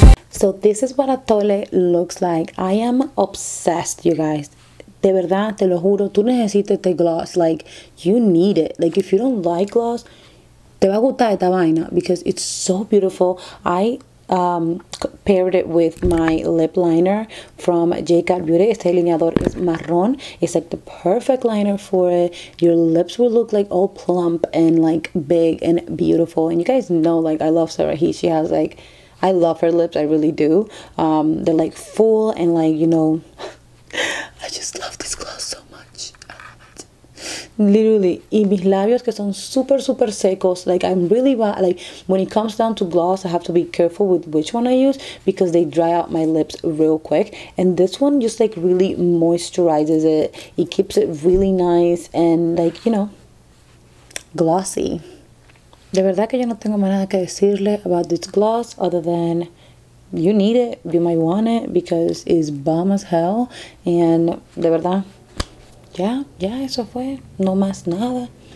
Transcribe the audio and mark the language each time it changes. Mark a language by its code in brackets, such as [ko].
[en] So this is what Atole looks like. I am obsessed, you guys. [es] De verdad, te lo juro, tú necesitas este gloss. [en] Like, you need it. Like, if you don't like gloss, [es] te va a gustar esta vaina, [en] because it's so beautiful. I paired it with my lip liner from J. Cal Beauty. [es] Este delineador es marrón. [en] It's like the perfect liner for it. Your lips will look like all plump and like big and beautiful. And you guys know, like, I love Sarah He. She has like, I love her lips. I really do. They're like full and like, you know, I just love this gloss so much. Literally. [es] Y mis labios que son super, super secos. [en] Like, I'm really bad. Like, when it comes down to gloss, I have to be careful with which one I use, because they dry out my lips real quick. And this one just, like, really moisturizes it. It keeps it really nice and, like, you know, glossy. [es] De verdad que yo no tengo más nada que decirle [en] about this gloss other than you need it, you might want it, because it's bomb as hell. [es] And de verdad, ya eso fue, no más nada.